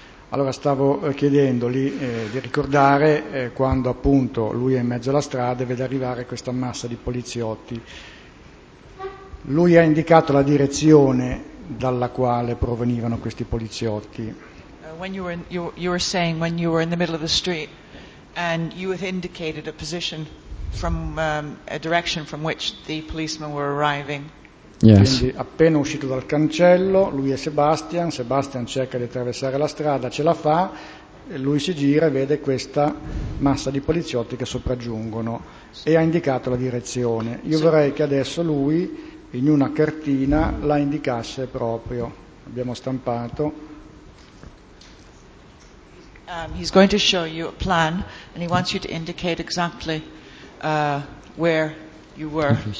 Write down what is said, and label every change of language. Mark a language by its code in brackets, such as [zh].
[it] Allora stavo chiedendogli di ricordare quando appunto lui è in mezzo alla strada e vede arrivare questa massa di poliziotti. Lui ha indicato la direzione dalla quale provenivano questi poliziotti. [en] When you were saying when you were in the middle of the street and you had indicated a position from a direction from which the policemen were arriving. Yes. [it] Quindi appena uscito dal cancello, lui e Sebastian cerca di attraversare la strada, ce la fa, e lui si gira e vede questa massa di poliziotti che sopraggiungono e ha indicato la direzione. Io vorrei che adesso lui, in una cartina, la indicasse proprio. Abbiamo stampato. [en] He's going to show you a plan and he wants you to indicate exactly where you were.